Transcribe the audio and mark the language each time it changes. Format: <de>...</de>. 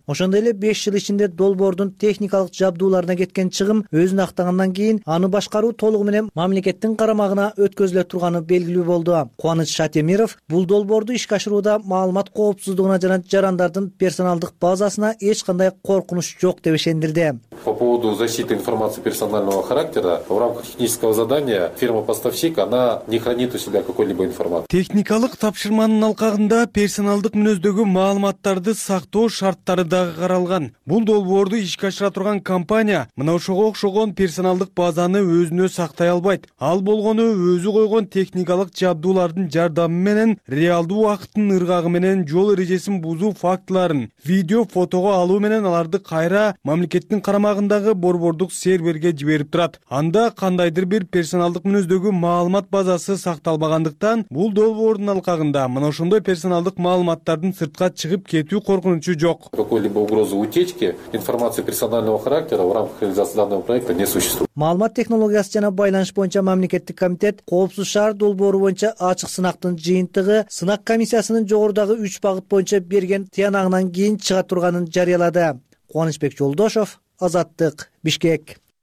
<ky>Ошондой эле 5 жыл ичинде долбоордун техникалык жабдууларына кеткен чыгым өзүн актагандан кийин аны башкаруу толугу менен мамлекеттин карамагына өткөзүлө турганы белгилүү болду. Кубаныч Шатемиров бул долбоорду ишке ашырууда маалымат коопсуздугуна жана жарандардын персоналдык базасына эч кандай коркунуч жок деп ишендирди.</ky> <ru>Защиты информации персонального характера в рамках технического задания фирма-поставщик она не хранит у себя какой-либо информации.</ru> <ky>Техникалык тапшырманын алкагында персоналдык мүнөздөгү маалыматтарды сактоо шарттары дагы каралган. Бул долбоорду ишке ашыра турган компания мына ошого окшогон персоналдык базаны өзүнө сактай албайт. Ал болгону өзү койгон техникалык жабдуулардын жардамы менен реалдуу убакыттын ыргагы менен жол эрежесин бузуу фактыларын видео фотого алуу менен аларды кайра мамлекеттин карамагында борбордук серверге жиберип турат. Анда кандайдыр бир персоналдык мүнөздөгү маалымат базасы сакталбагандыктан бул долбоордун алкагында мына ошондой персоналдык маалыматтардын сыртка чыгып кетүү коркунучу жок.</ky> <ru>Какой либо угрозы утечки информации персонального характера в рамках реализации данного проекта не существует.</ru> <ky>Маалымат технологиясы жана байланыш боюнча мамлекеттик комитет коопсуз шаар долбоору боюнча ачык сынактын жыйынтыгы сынак комиссиясынын жогорудагы 3 багыт боюнча берген тыянагынан кийин чыга турганын жарыялады. Кубанычбек Жолдошов, Азаттык, Бишкек.</ky>